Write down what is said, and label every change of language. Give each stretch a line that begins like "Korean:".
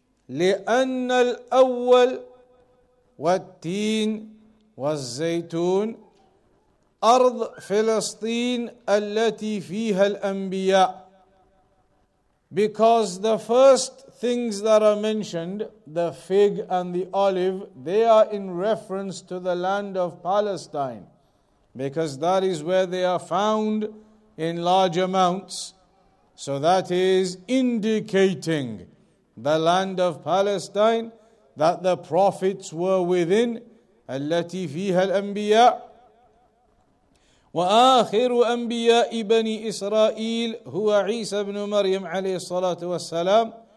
Arabic: لِأَنَّ الْأَوَّلِ وَالْتِينِ وَالْزَيْتُونِ أرض فلسطين التي فيها الأنبياء.
English: Because the first things that are mentioned, the fig and the olive, they are in reference to the land of Palestine, because that is where they are found in large amounts. So that is indicating the land of Palestine that the prophets were within.
Arabic: التي فيها الأنبياء وآخر أنبياء بني إسرائيل هو عيسى بن مريم عليه الصلاة والسلام.